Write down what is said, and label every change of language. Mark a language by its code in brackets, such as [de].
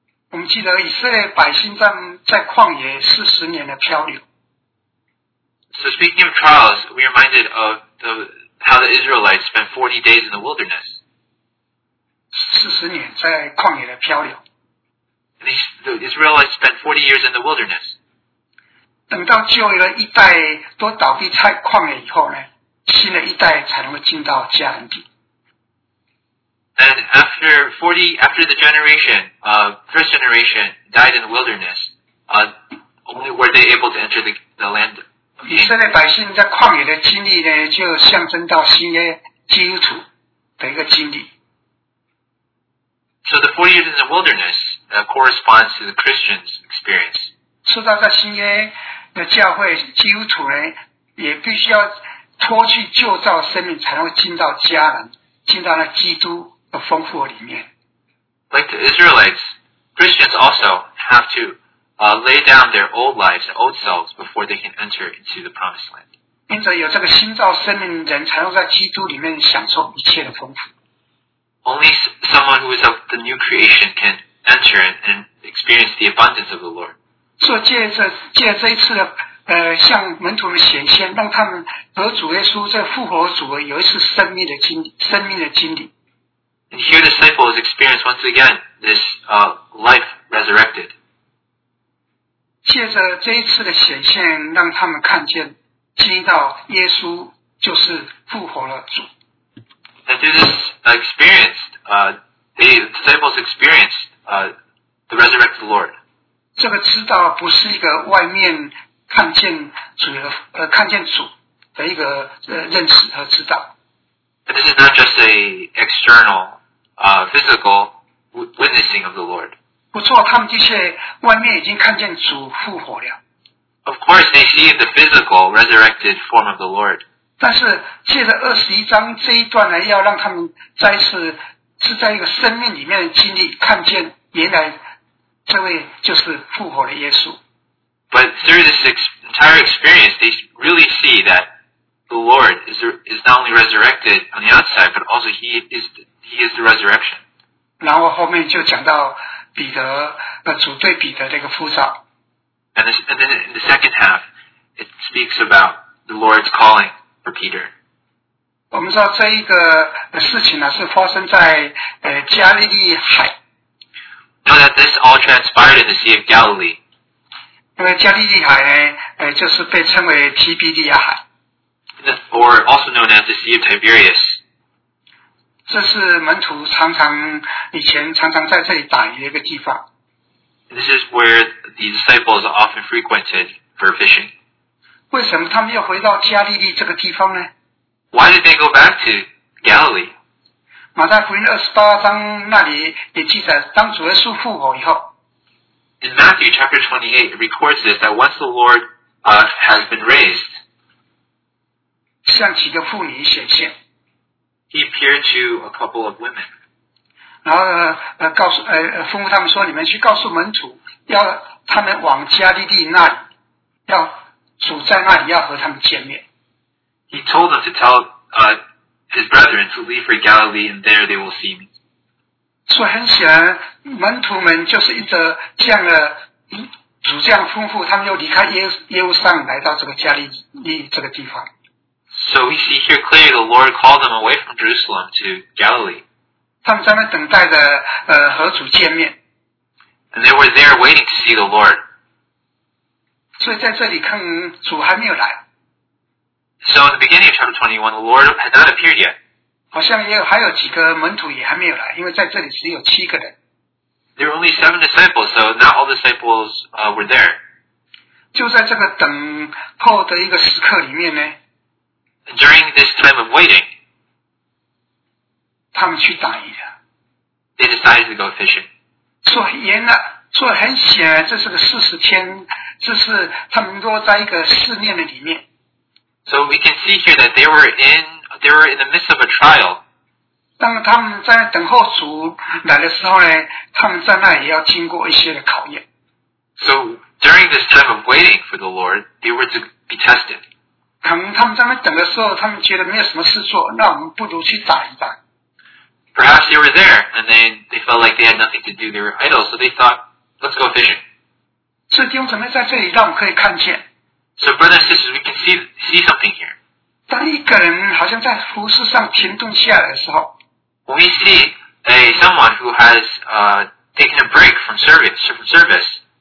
[zh] 我们记得以色列百姓在旷野四十年的漂流。 [en] So speaking of trials, we are reminded of how the Israelites spent 40 days in the wilderness. [zh] 40年在旷野的漂流。 [en] The Israelites spent 40 years in the wilderness. [zh] 等到旧的一代都倒闭在旷野以后呢，新的一代才能够进到迦南地。 [en] And after the generation, first generation died in the wilderness, only were they able to enter the land. [zh] 以色列百姓在旷野的经历呢，就象征到新约基督徒的一个经历。 [en] So the 40 years in the wilderness corresponds to the Christian's experience. [zh] 说到在新约的教会，基督徒呢也必须要脱去旧造生命，才能够进到迦南，进到那基督的丰富里面。 [en] Like the Israelites, Christians also have to. Lay down their old lives, old selves, before they can enter into the promised land. [zh] 因着有这个新造生命的人，才能在基督里面享受一切的丰富。 [en] Only someone who is of the new creation can enter and experience the abundance of the Lord. [zh] 借这一次的向门徒们显现，让他们和主耶稣在复活主有一次生命的经历，生命的经历。 [en] And here the disciples experience once again this life resurrected. [zh] 借着这一次的显现，让他们看见，经历到耶稣就是复活了主。 [en] And through this experience, the disciples experienced the resurrected Lord. [zh] 这个知道不是一个外面看见主的看见主的一个认识和知道。 [en] And this is not just a external, physical witnessing of the Lord. [zh] 不错，他们这些外面已经看见主复活了。 [en] Of course, they see the physical resurrected form of the Lord. [zh] 但是借着二十一章这一段呢，要让他们再次是在一个生命里面的经历，看见原来这位就是复活的耶稣。 [en] But through this entire experience, they really see that the Lord is not only resurrected on the outside, but also he is the resurrection. [zh] 然后后面就讲到彼得主对彼得这个呼召。 [en] And then in the second half, it speaks about the Lord's calling. Peter. [zh] 我们知道这一个事情呢是发生在加利利海。 [en] Know that this all transpired in the Sea of Galilee. [zh] 那个加利利海呢，就是被称为提比利亚海。 [en] Or also known as the Sea of Tiberias. [zh] 这是门徒常常以前常常在这里打鱼的一个地方。 [en] This is where the disciples often frequented for fishing. [zh] 为什么他们又回到加利利这个地方呢？ [en] Why did they go back to Galilee? [zh] 马太福音28章那里也记载，当主耶稣复活以后。 [en] In Matthew chapter 28, it records this, that once the Lord has been raised, [zh] 向几个妇女显现。 [en] He appeared to a couple of women. [zh] 然后吩咐他们说，你们去告诉门徒，要他们往加利利那里，要主在那里要和他们见面。 [en] He told them to tell his brethren to leave for Galilee, and there they will see me. [zh] 所以很显然，门徒们就是一直这样的主这样吩咐，他们又离开耶路撒冷来到这个加利利这个地方。 [en] So we see here clearly the Lord called them away from Jerusalem to Galilee. [zh] 他们在那等待着和主见面。 [en] And they were there waiting to see the Lord. [zh] 所以在这里看主还没有来。 [en] So in the beginning of chapter 21, the Lord had not appeared yet. [zh] 好像也有还有几个门徒也还没有来，因为在这里只有七个人。 [en] There were only seven disciples, so not all disciples were there. [zh] 就在这个等候的一个时刻里面呢。 [en] During this time of waiting, [zh] 他们去打鱼了。 [en] They decided to go fishing. [zh] 所以很显然这是个四十天。这是他们都在一个试炼的里面。 [en] So we can see here that they were in the midst of a trial. [zh] 当他们在等候主来的时候呢，他们在那里要经过一些的考验。 [en] So during this time of waiting for the Lord, they were to be tested. [zh] 可能他们在那等的时候，他们觉得没有什么事做，那我们不如去打一打。 [en] Perhaps they were there, and they felt like they had nothing to do. They were idle, so they thought, let's go fishing. [zh] 所以弟兄姊妹在这里让我们可以看见。 [en] So brothers and sisters, we can see something here. [zh] 当一个人好像在服事上停顿下来的时候。 [en] We see someone who has taken a break from service.